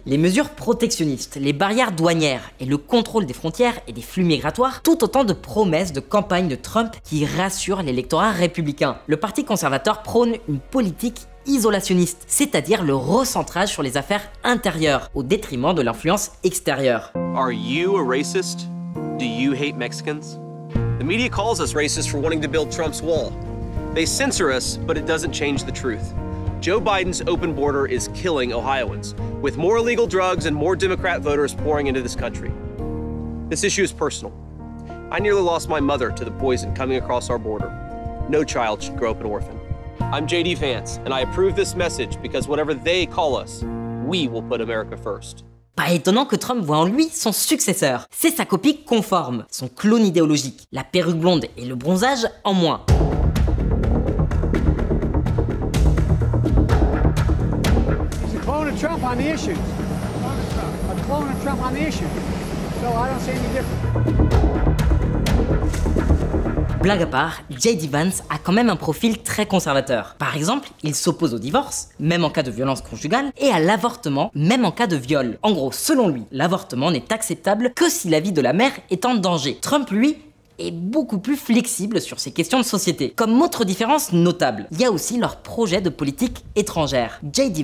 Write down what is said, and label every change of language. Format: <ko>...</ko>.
<fr>Les mesures protectionnistes, les barrières douanières et le contrôle des frontières et des flux migratoires, tout autant de promesses de campagne de Trump qui rassurent l'électorat républicain. Le Parti conservateur prône une politique isolationniste, c'est-à-dire le recentrage sur les affaires intérieures, au détriment de l'influence extérieure.</fr> <en>Are you a racist? Do you hate Mexicans? The media calls us racist for wanting to build Trump's wall. They censor us, but it doesn't change the truth. Joe Biden's open border is killing Ohioans, with more illegal drugs and more Democrat voters pouring into this country. This issue is personal. I nearly lost my mother to the poison coming across our border. No child should grow up an orphan. I'm J.D. Vance, and I approve this message because whatever they call us, we will put America first.</en> <fr>Pas étonnant que Trump voit en lui son successeur. C'est sa copie conforme, son clone idéologique. La perruque blonde et le bronzage en moins.</fr> <en>He's a clone of Trump on the issues. A clone of Trump on the issues. So I don't see any difference.</en> <fr>Blague à part, J.D. Vance a quand même un profil très conservateur. Par exemple, il s'oppose au divorce, même en cas de violence conjugale, et à l'avortement, même en cas de viol. En gros, selon lui, l'avortement n'est acceptable que si la vie de la mère est en danger. Trump, lui, est beaucoup plus flexible sur ces questions de société. Comme autre différence notable, il y a aussi leur projet de politique étrangère. J.D.</fr>